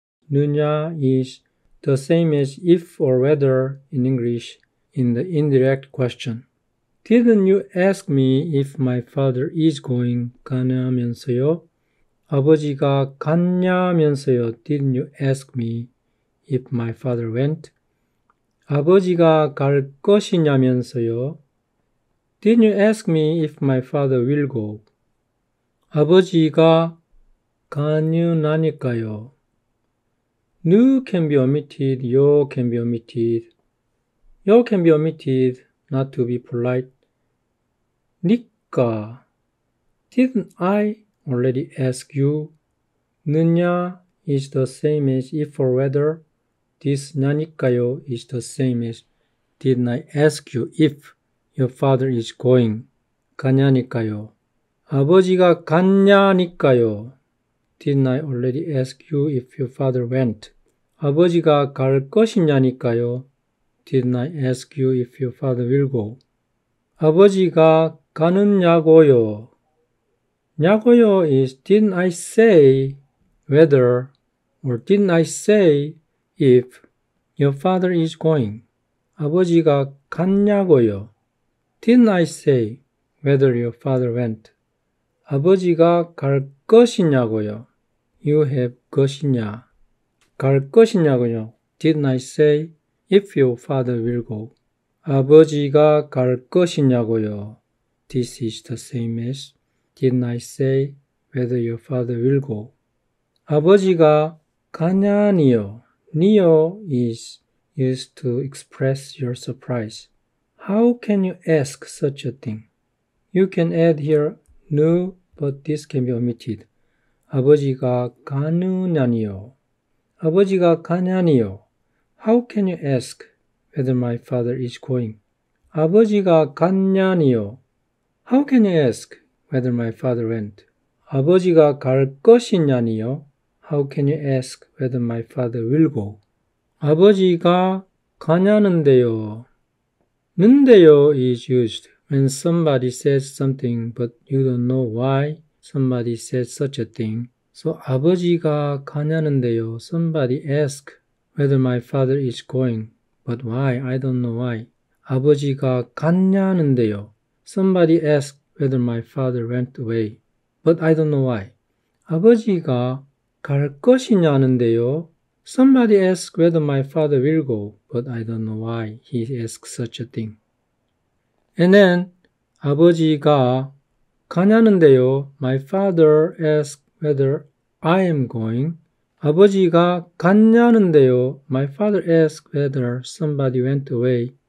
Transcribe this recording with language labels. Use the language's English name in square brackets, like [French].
[English] 느냐 is the same as if or whether in English in the indirect question. Didn't you ask me if my father is going [Korean] 가냐면서요? 아버지가 갔냐면서요. [English] Didn't you ask me if my father went? [Korean] 아버지가 갈 것이냐면서요. [English] Didn't you ask me if my father will go? [Korean] 아버지가 가느냐니까요. [English] No can be omitted. You can be omitted. You can be omitted not to be polite. 니까. Didn't I already ask you? 느냐 is the same as if or whether. This 냐니까요 is the same as did I ask you if your father is going? [Korean] 가냐니까요. 아버지가 갔냐니까요. [English] Did I already ask you if your father went? [Korean] 아버지가 갈 것이냐니까요. [English] Did I ask you if your father will go? [Korean] 아버지가 가느냐고요. [English] 냐고요 is didn't I say whether or didn't I say if your father is going? [Korean] 아버지가 갔냐고요. [English] Didn't I say whether your father went? [Korean] 아버지가 갈 것이냐고요. [English] You have [Korean] 것이냐. 갈 것이냐고요. [English] Didn't I say if your father will go? [Korean] 아버지가 갈 것이냐고요. [English] This is the same as Didn't I say whether your father will go? [Korean] 아버지가 가냐니요. [English] 니요 is used to express your surprise. How can you ask such a thing? You can add here no, but this can be omitted. [Korean] 아버지가 가느냐니요. 아버지가 가냐니요. [English] How can you ask whether my father is going? [Korean] 아버지가 갔냐니요. [English] How can you ask whether my father went? [Korean] 아버지가 갈 것이냐니요. [English] How can you ask whether my father will go? [Korean] 아버지가 가냐는데요. [English] 는데요 is used when somebody says something but you don't know why somebody said such a thing. [Korean] So 아버지가 가냐는데요. [English] Somebody ask whether my father is going but why I don't know why. [Korean] 아버지가 갔냐는데요. [English] Somebody ask whether my father went away, but I don't know why. [Korean] 아버지가 갈 것이냐는데요. [English] Somebody asked whether my father will go, but I don't know why he asked such a thing. And then, [Korean] 아버지가 가냐는데요. [English] My father asked whether I am going. [Korean] 아버지가 갔냐는데요. [English] My father asked whether somebody went away.